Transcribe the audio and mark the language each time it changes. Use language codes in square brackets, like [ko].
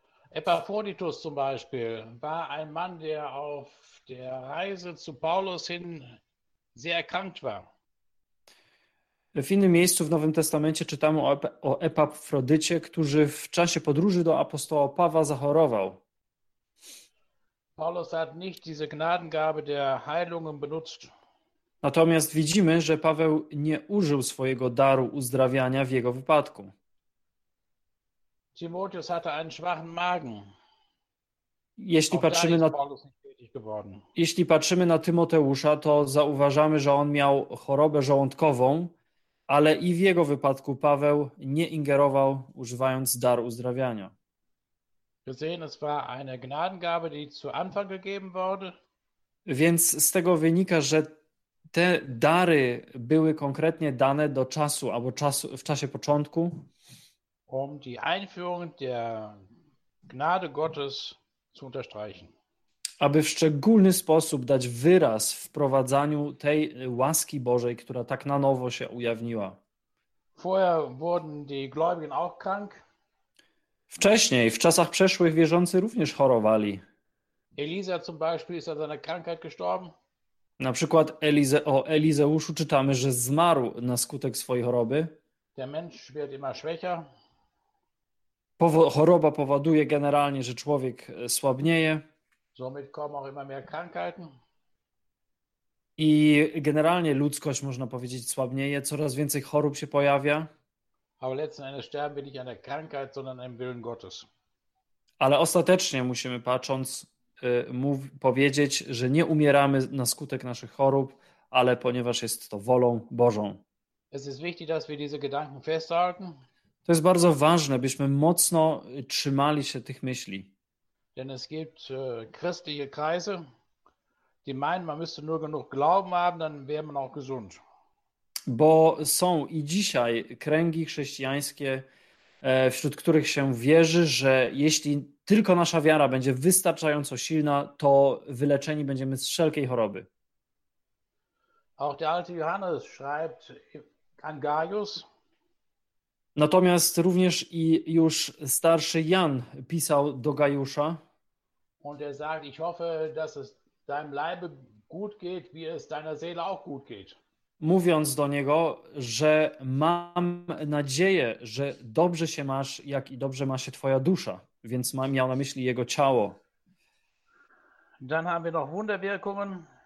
[de] Epaphroditus zum Beispiel war ein Mann, der auf der Reise zu Paulus hin sehr erkrankt war. [pl] W innym miejscu w Nowym Testamencie czytamy o Epafrodycie, który w czasie podróży do apostoła Pawła zachorował. [de] Paulus hat nicht diese Gnadengabe der Heilungen benutzt. [pl] Natomiast widzimy, że Paweł nie użył swojego daru uzdrawiania w jego wypadku. [de] Timotheus hatte einen schwachen Magen. [pl] Jeśli patrzymy na [de] Paulus nicht tätig geworden. [pl] Jeśli patrzymy na Tymoteusza, to zauważamy, że on miał chorobę żołądkową, ale i w jego wypadku Paweł nie ingerował, używając daru uzdrawiania. [de] Wir sehen, es war eine Gnadengabe, die zu Anfang gegeben wurde. [pl] Więc z tego wynika, że te dary były konkretnie dane do czasu albo czasu, w czasie początku. [de] Um die Einführung der Gnade Gottes zu unterstreichen. [pl] Aby w szczególny sposób dać wyraz wprowadzaniu tej łaski Bożej, która tak na nowo się ujawniła. [de] Vorher wurden die Gläubigen auch krank. [pl] Wcześniej, w czasach przeszłych, wierzący również chorowali. [de] Elisa zum Beispiel ist an seiner Krankheit gestorben. [pl] Na przykład o Elizeuszu czytamy, że zmarł na skutek swojej choroby. [de] Der Mensch wird immer schwächer. [pl] Choroba powoduje generalnie, że człowiek słabnieje. [de] Somit kommen auch immer mehr Krankheiten. [pl] I generalnie ludzkość, można powiedzieć, słabnieje, coraz więcej chorób się pojawia. [de] Aber letzten Endes sterben wir nicht an der Krankheit, sondern am Willen Gottes. [pl] Ale ostatecznie musimy patrząc powiedzieć, że nie umieramy na skutek naszych chorób, ale ponieważ jest to wolą Bożą. [de] Es ist wichtig, dass wir diese Gedanken festhalten. [pl] To jest bardzo ważne, byśmy mocno trzymali się tych myśli. [de] Denn es gibt christliche Kreise, die meinen, man müsste nur genug Glauben haben, dann wäre man auch gesund. [pl] Bo są i dzisiaj kręgi chrześcijańskie, wśród których się wierzy, że jeśli tylko nasza wiara będzie wystarczająco silna, to wyleczeni będziemy z wszelkiej choroby. [de] Auch der alte Johannes schreibt an Gaius. [pl] Natomiast również i już starszy Jan pisał do Gajusza. [de] Und er sagt, ich hoffe, dass es deinem Leibe gut geht, wie es deiner Seele auch gut geht. [pl] Mówiąc do niego, że mam nadzieję, że dobrze się masz, jak i dobrze ma się twoja dusza, więc miał na myśli jego ciało. [de] Dann haben wir noch Wunderwirkungen.